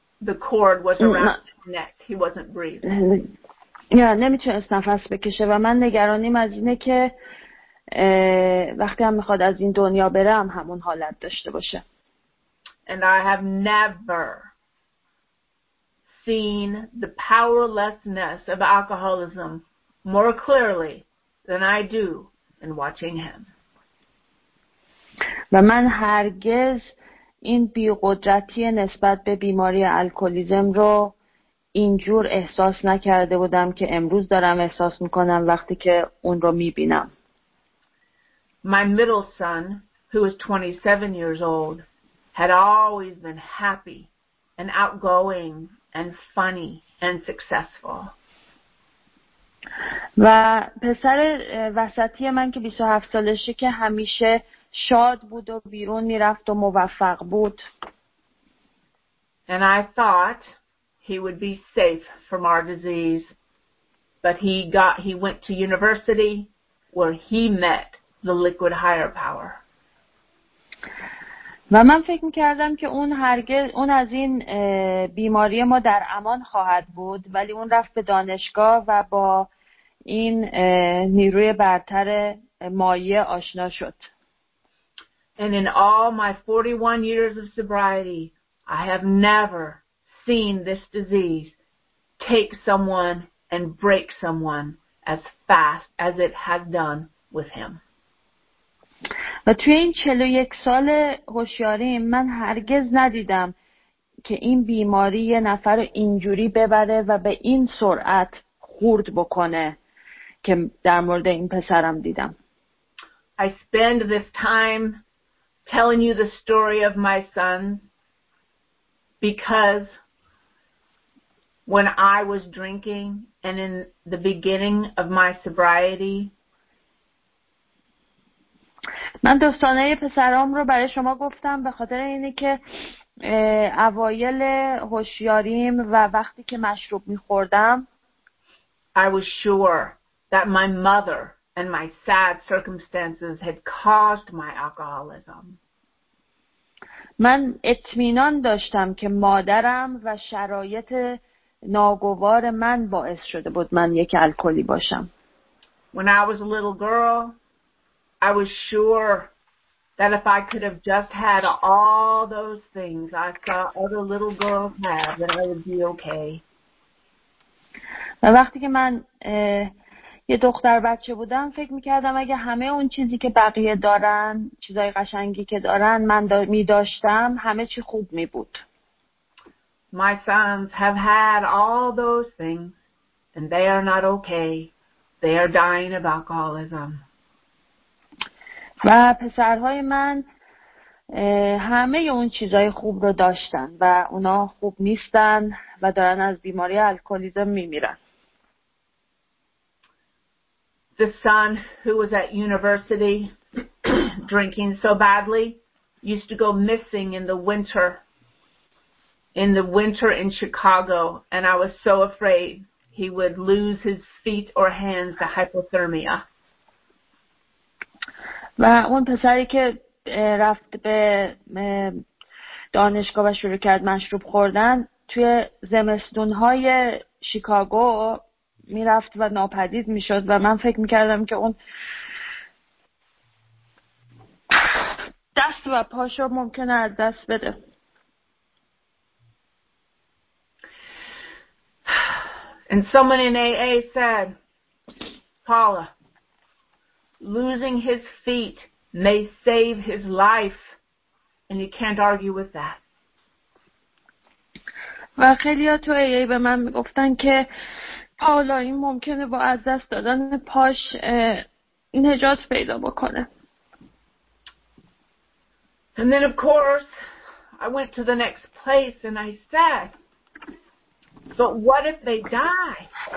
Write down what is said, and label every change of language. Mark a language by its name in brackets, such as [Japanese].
[English] The cord was around his neck. He wasn't breathing. [Persian] Yeah, نمیتونست نفس بکشه و من نگرانیم از اینه که وقتی هم میخواد از این دنیا بره هم همون حالت داشته باشه. [English] And I have never seen the powerlessness of alcoholism more clearly than I do in watching him. [Persian] و من هرگز این بی‌قدرتی نسبت به بیماری الکلیسم رو اینجور احساس نکرده بودم که امروز دارم احساس میکنم وقتی که اون رو میبینم. [English] My middle son, who is 27 years old, had always been happy and outgoing and funny and successful. [Persian] و پسر وسطی من که 27 سالشه که همیشه شاد بود و بیرون میرفت و موفق بود. [English] And I thought he would be safe from our disease, but he went to university where he met the liquid higher power. [Persian] و من فکر میکردم که اون هرگز اون از این بیماری ما در امان خواهد بود، ولی اون رفت به دانشگاه و با این نیروی برتر مایه آشنا شد. [English] And in all my 41 years of sobriety, I have never seen this disease take someone and break someone as fast as it has done with him. [Persian] و توی این 41 سال هوشیاری من هرگز ندیدم که این بیماری یه نفر رو اینجوری ببره و به این سرعت خورد بکنه که در مورد این پسرم دیدم. [English] I spend this time telling you the story of my son because when I was drinking and in the beginning of my sobriety, [Persian] من داستانه پسرام رو برای شما گفتم به خاطر اینه که اوایل هوشیاریم و وقتی که مشروب می‌خوردم [English] I was sure that my mother and my sad circumstances had caused my alcoholism. [Persian] من اطمینان داشتم که مادرم و شرایط ناگوار من باعث شده بود من یک الکلی باشم. [English] When I was a little girl, I was sure that if I could have just had all those things I saw other little girls have, that I would be okay. [Persian] و وقتی که من یه دختر بچه بودم فکر میکردم اگه همه اون چیزی که بقیه دارن چیزای قشنگی که دارن من میداشتم همه چی خوب میبود. [English] My sons have had all those things and they are not okay. They are dying of alcoholism. [Persian] و پسرهای من همه اون چیزای خوب رو داشتن و اونا خوب نیستن و دارن از بیماری الکلیزم میمیرن. [English] The son who was at university drinking so badly used to go missing in the winter in Chicago, and I was so afraid he would lose his feet or hands to hypothermia. [Persian] و اون پسری که رفت به دانشگاه و شروع کرد مشروب خوردن توی زمستون‌های شیکاگو می‌رفت و ناپدید می‌شد و من فکر می‌کردم که اون دست و پاشو ممکنه از دست بده. [English] And someone in AA said, Paula, losing his feet may save his life, and you can't argue with that. [Persian] و خیلی ها تو AA به من میگفتن که حالا این ممکنه با از دست دادن پاش نجات پیدا بکنه. [English] And then of course I went to the next place and I said, but what if they die?